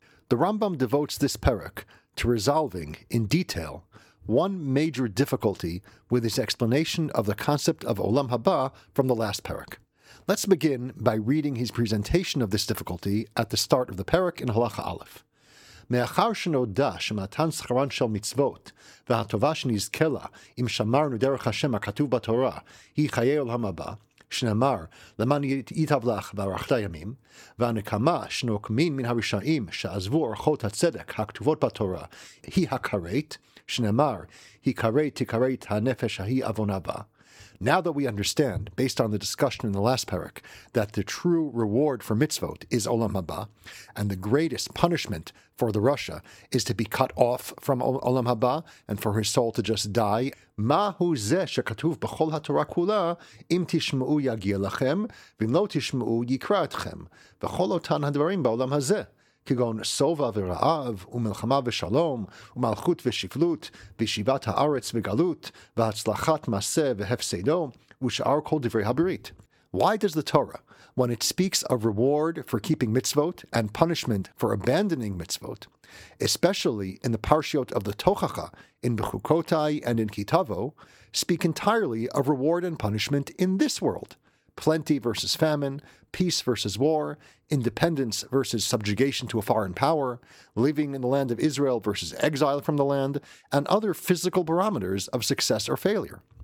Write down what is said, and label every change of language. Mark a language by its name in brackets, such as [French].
[English] The Rambam devotes this perek to resolving, in detail, one major difficulty with his explanation of the concept of Olam Haba from the last perek. Let's begin by reading his presentation of this difficulty at the start of the perek in Halacha Aleph. [Hebrew] מאחר שנודה שמתן שכרן של מצוות והטובה שנזכלה אם שמרנו דרך השם הכתוב בתורה היא חיי עולם הבא, שנאמר למען ייטב לך וארכת ימים, והנקמה שנוקמין מן הרשעים שעזבו אורחות הצדק הכתובות בתורה היא הכרת, שנאמר הכרת תכרת הנפש ההיא עוונה בה. [English] Now that we understand, based on the discussion in the last parak, that the true reward for mitzvot is Olam Haba, and the greatest punishment for the Rasha is to be cut off from Olam Haba and for his soul to just die, [Hebrew] Ma hu ze shekatuv b'chol ha-Torah kula, im tishmu'u yagi lachem, v'im lo tishmu'u yikra etchem, v'chol otan hadvarim ba'olam hazeh. כגון סובה ורעב, ומלחמה ושלום, ומלכות ושפלות, וישיבת הארץ וגלות, והצלחת מעשה והפסדו, ושאר כל דברי הברית. [English] Why does the Torah, when it speaks of reward for keeping mitzvot and punishment for abandoning mitzvot, especially in the parshiot of the Tochacha, in Bechukotai and in Kitavo, speak entirely of reward and punishment in this world? Plenty versus famine, peace versus war, independence versus subjugation to a foreign power, living in the land of Israel versus exile from the land, and other physical barometers of success or failure.